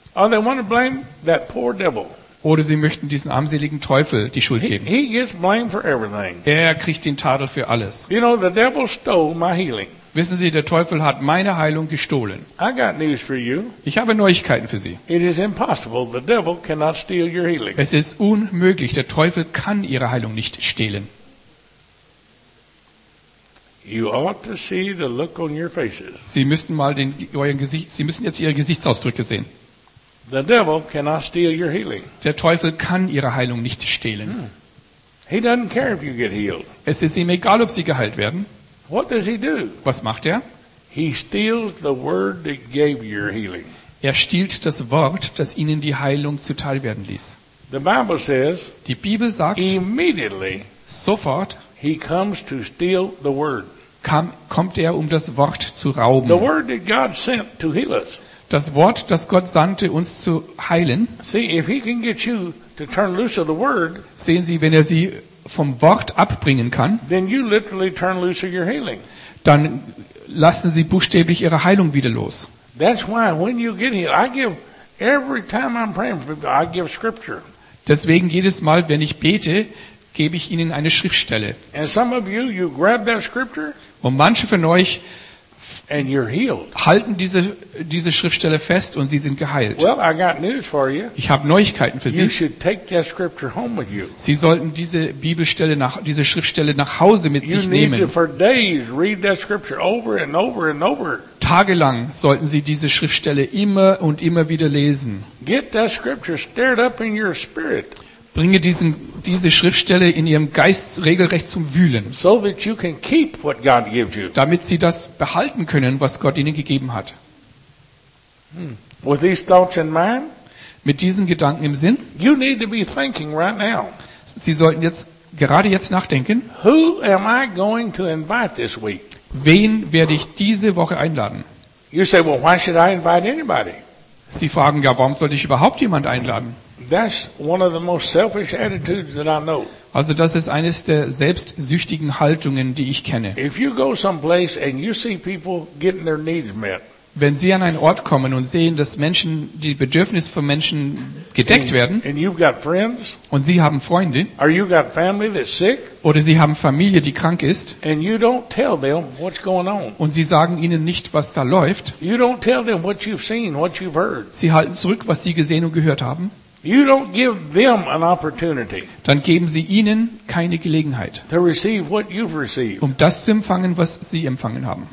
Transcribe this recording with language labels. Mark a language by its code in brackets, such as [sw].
[en] Or they want to blame that poor devil. [de] Oder sie möchten diesen armseligen Teufel die Schuld geben. [en] He gets blamed for everything. [de] Er kriegt den Tadel für alles. [en] You know, the devil stole my healing. [de] Wissen Sie, der Teufel hat meine Heilung gestohlen. [en] I got news for you. [de] Ich habe Neuigkeiten für Sie. [en] It is impossible. The devil cannot steal your healing. [de] Es ist unmöglich. Der Teufel kann Ihre Heilung nicht stehlen. [en] You ought to see the look on your faces. [de] Sie müssten mal Sie müssen jetzt Ihre Gesichtsausdrücke sehen. [en] The devil cannot steal your healing. [de] Der Teufel kann Ihre Heilung nicht stehlen. [en] He doesn't care if you get healed. [de] Es ist ihm egal, ob Sie geheilt werden. [en] What does he do? [de] Was macht er? [en] He steals the word that gave your healing. [de] Er stiehlt das Wort, das ihnen die Heilung zuteil werden ließ. [en] The Bible says, [de] die Bibel sagt, [en] immediately, [de] sofort, [en] he comes to steal the word. [de] Kommt er, um das Wort zu rauben. [en] The word that God sent to heal us. [de] Das Wort, das Gott sandte, uns zu heilen. [en] See, if he can get you to turn loose of the word, [de] sehen Sie, wenn er sie vom Wort abbringen kann, [en] then you literally turn loose of your healing. [de] Dann lassen Sie buchstäblich Ihre Heilung wieder los. [en] That's why when you get healed, I give every time I'm praying for people, I give scripture. [de] Deswegen jedes Mal, wenn ich bete, gebe ich Ihnen eine Schriftstelle. [en] And some of you grab that scripture. [de] Und manche von euch [en] and you're healed. [de] Halten diese Schriftstelle fest und sie sind geheilt. [en] Well, I got news for you. [de] Ich habe Neuigkeiten für Sie. [en] You should take that scripture home with you. [de] Sie sollten diese Schriftstelle nach Hause mit [en] you [de] sich nehmen. [en] You need to for days read that scripture over and over and over. [de] Tagelang sollten Sie diese Schriftstelle immer und immer wieder lesen. [en] Get that scripture stirred up in your spirit. [de] Bringe diese Schriftstelle in Ihrem Geist regelrecht zum Wühlen, [en] so that you can keep what God gives you. [de] Damit Sie das behalten können, was Gott Ihnen gegeben hat. [en] With these thoughts in mind, [de] mit diesen Gedanken im Sinn, [en] you need to be thinking right now. [de] Sie sollten jetzt gerade jetzt nachdenken, [en] who am I going to invite this week? [de] Wen werde ich diese Woche einladen? [en] You say, well, why should I invite anybody? [de] Sie fragen ja, warum sollte ich überhaupt jemand einladen? [en] That's one of the most selfish attitudes that I know. [de] Also das ist eines der selbstsüchtigen Haltungen, die ich kenne. [en] If you go someplace and you see people getting their needs met. [de] Wenn Sie an einen Ort kommen und sehen, dass Menschen, die Bedürfnisse von Menschen gedeckt werden, [en] and you've got friends, [de] und Sie haben Freunde, [en] or you've got family that's sick, [de] oder Sie haben Familie, die krank ist, [en] and you don't tell them what's going on. [de] Und Sie sagen ihnen nicht, was da läuft, [en] you don't tell them what you've seen, what you've heard. [de] Sie halten zurück, was Sie gesehen und gehört haben. [en] You don't give them an opportunity. [de] Dann geben Sie ihnen keine Gelegenheit, [en] to receive what you've received. [de] Um das zu empfangen, was Sie empfangen haben.